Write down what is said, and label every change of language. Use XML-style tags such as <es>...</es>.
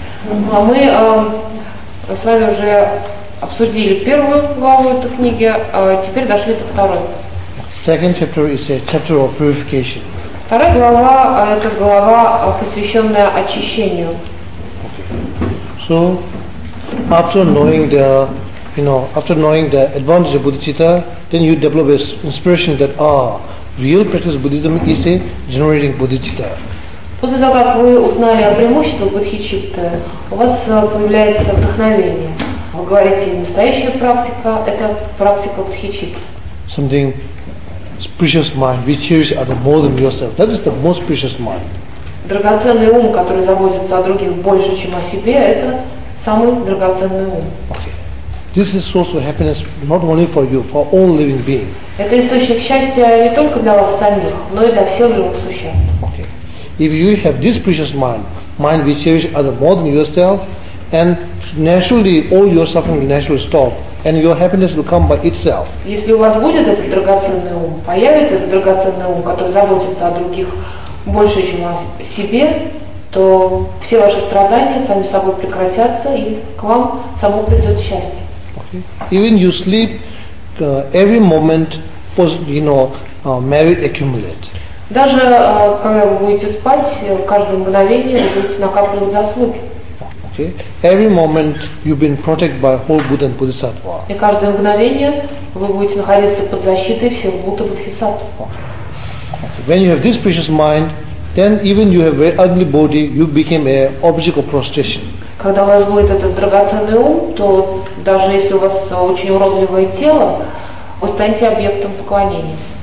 <ru>Мы с вами уже обсудили первую главу этой книги, теперь дошли до второй.</ru> <en>Second chapter is a chapter of purification.</en> <ru>Вторая глава – это глава, посвященная очищению.</ru> <en>So, after knowing the advantage of bodhicitta, then you develop this inspiration that real practice of Buddhism is a generating bodhicitta.</en> <ru>После того, как вы узнали о преимуществах бодхичитты, у вас появляется вдохновение. Вы говорите, настоящая практика – это практика бодхичитты.</ru> <en>Something precious mind, which cherish other more than yourself. That is the most precious mind.</en> <ru>Драгоценный ум, который заботится о других больше, чем о себе, это самый драгоценный ум.</ru> <en>This is source of happiness not only for you, for all living beings.</en> <ru>Это источник счастья не только для вас самих, но и для всех живых существ.</ru> <en>If you have this precious mind, mind which cherish other more than yourself, and naturally all your suffering will naturally stop, and your happiness will come by itself.</en> <ru>Если у вас будет этот драгоценный ум, появится этот драгоценный ум, который заботится о других больше, чем о себе, то все ваши страдания сами собой прекратятся, и к вам само придет счастье.</ru> <en>Okay. Even you sleep, every moment, merit accumulates.</en> <ru>Даже когда вы будете спать, в каждом мгновении вы будете накапливать заслуги.</ru> <en>Okay. Every moment you've been protected by whole Buddha and Bodhisattva.</en> <ru>И каждое мгновение вы будете находиться под защитой всех Будд и Бодхисаттв.</ru> <en>When you have this precious mind, then even you have very ugly body, you became an object of prostration.</en> <ru>Когда у вас будет этот драгоценный ум, то даже если у вас очень уродливое тело, вы станете объектом поклонения.</ru>